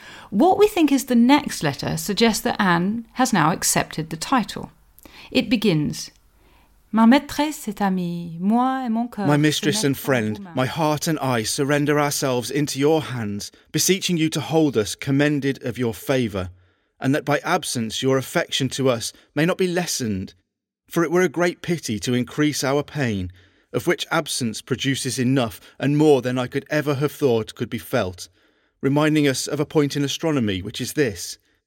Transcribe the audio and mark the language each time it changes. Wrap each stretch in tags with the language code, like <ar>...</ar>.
<en>What we think is the next letter suggests that Anne has now accepted the title.</en> <fr>It begins, Ma maîtresse et amie, moi et mon cœur.</fr> <en>My mistress and friend, my heart and I surrender ourselves into your hands, beseeching you to hold us commended of your favour, and that by absence your affection to us may not be lessened. For it were a great pity to increase our pain, of which absence produces enough and more than I could ever have thought could be felt, reminding us of a point in astronomy, which is this.</en>